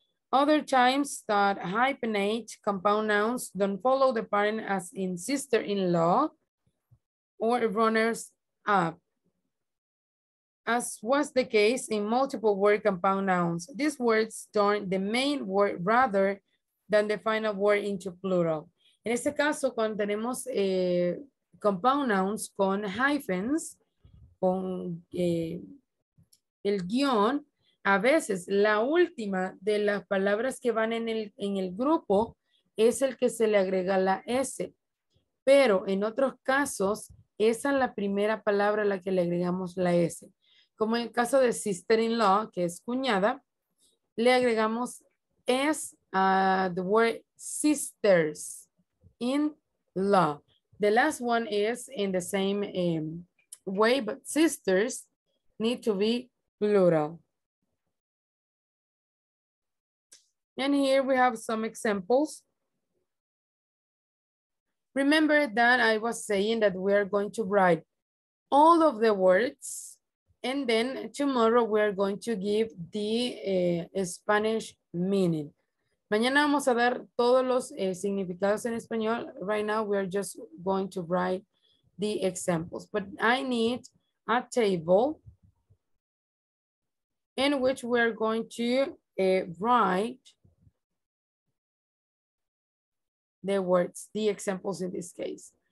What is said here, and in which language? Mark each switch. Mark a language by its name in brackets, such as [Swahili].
[English] Other times that hyphenate compound nouns don't follow the pattern, as in sister-in-law or runners-up, as was the case in multiple word compound nouns. These words turn the main word rather than the final word into plural. [Spanish] En este caso, cuando tenemos compound nouns con hyphens, con el guión, a veces la última de las palabras que van en el grupo es el que se le agrega la S. Pero en otros casos, esa es la primera palabra a la que le agregamos la S. Como en el caso de sister-in-law, que es cuñada, le agregamos S a [English] the word [Spanish] sisters-in-law. [English] The last one is in the same way, but sisters need to be plural. And here we have some examples. Remember that I was saying that we are going to write all of the words, and then tomorrow we are going to give the Spanish meaning. [Spanish] Mañana vamos a dar todos los significados en español. [English] Right now we are just going to write the examples. But I need a table in which we are going to write the words, the examples in this case.